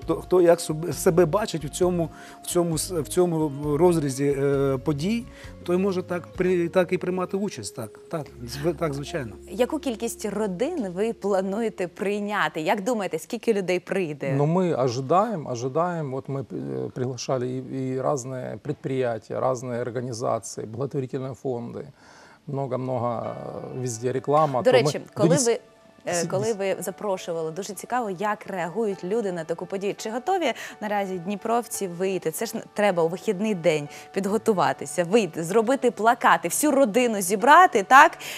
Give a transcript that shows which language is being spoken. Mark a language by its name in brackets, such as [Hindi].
[Ukrainian] хто як себе бачить в цьому розрізі подій, той може так і приймати участь. Так, звичайно. Яку кількість родин ви плануєте прийняти? Як думаєте, скільки людей прийде? Ну, ми очікуємо. От ми приглашали і різні підприємства, різні організації, благотворительні фонди. [Russian] Много-много везде реклама. [Ukrainian] До речі, коли ви запрошували, дуже цікаво, як реагують люди на таку подію. Чи готові наразі дніпровці вийти? Це ж треба у вихідний день підготуватися, вийти, зробити плакати, всю родину зібрати, так?